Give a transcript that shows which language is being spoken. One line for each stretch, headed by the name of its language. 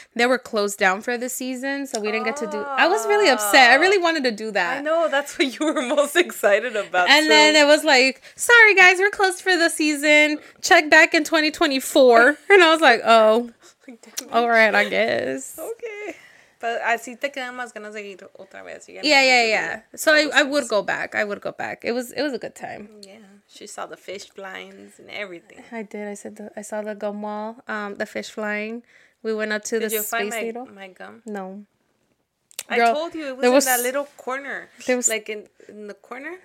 English: They were closed down for the season, so we didn't get to do. I was really upset. I really wanted to do that. I know, that's what you were most excited about. And so, then it was like, sorry guys, we're closed for the season. Check back in 2024. And I was like, oh, all right, I guess. Okay.
Spanish: But así te quedan más ganas de ir otra vez.
English: Yeah. So I would go back. It was a good time. Yeah. She saw the fish blinds and everything. I did. I saw the gum wall, the fish flying. We went up to did the you space find my, needle. My gum? No. Girl, I told you it was in that little corner. There was, like in the corner.